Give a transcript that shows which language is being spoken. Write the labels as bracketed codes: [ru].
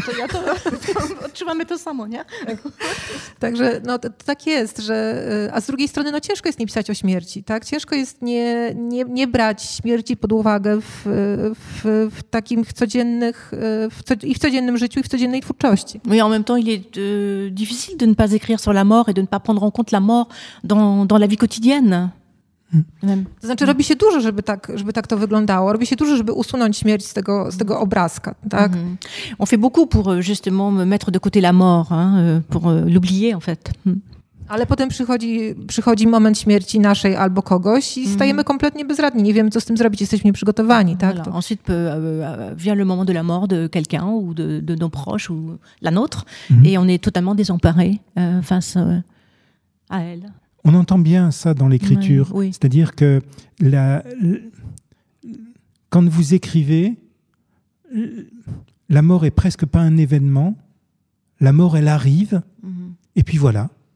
[pl] To odczuwamy to samo, nie? Także no, to tak jest, że a z drugiej strony no, ciężko jest nie pisać o śmierci, tak? Ciężko jest nie brać śmierci pod uwagę w takim codziennych i w codziennym życiu i w codziennej twórczości. [fr] Oui, en même temps, il est difficile de ne pas écrire sur la mort et de ne pas prendre en compte la mort dans la vie quotidienne. [pl] To znaczy robi się dużo, żeby tak to wyglądało. Robi się dużo, żeby usunąć śmierć z tego obrazka, tak? [fr] On fait beaucoup pour justement mettre de côté la mort, hein, pour l'oublier en fait. [pl] Ale potem przychodzi moment śmierci naszej albo kogoś i stajemy kompletnie bezradni. Nie wiemy, co z tym zrobić, jesteśmy nieprzygotowani, tak? [fr] Voilà. Ensuite vient le moment de la mort de quelqu'un ou de nos proches ou la nôtre et on est totalement désemparé face à elle. On entend bien ça dans l'écriture, oui. C'est-à-dire que quand vous écrivez, la mort est presque pas un événement, la mort elle arrive, et puis voilà.